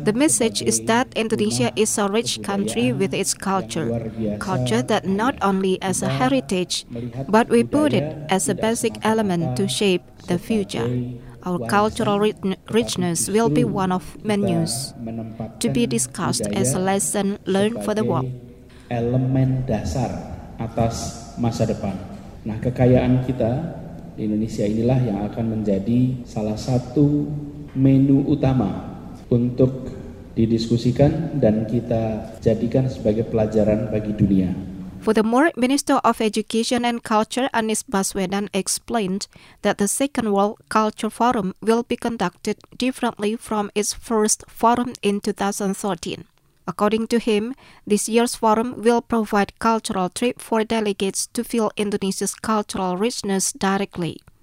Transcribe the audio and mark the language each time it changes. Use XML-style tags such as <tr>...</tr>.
<en>The message is that Indonesia is a rich country with its culture, culture that not only as a heritage, but we put it as a basic element to shape the future. Our cultural richness will be one of menus to be discussed as a lesson learned for the world.</en> <id>Elemen dasar atas masa depan. Nah, kekayaan kita di Indonesia inilah yang akan menjadi salah satu menu utama untuk didiskusikan dan kita jadikan sebagai pelajaran bagi dunia.</id> <en>Furthermore, Minister of Education and Culture Anies Baswedan explained that the Second World Culture Forum will be conducted differently from its first forum in 2013. According to him, this year's forum will provide cultural trip for delegates to feel Indonesia's cultural richness directly.</en>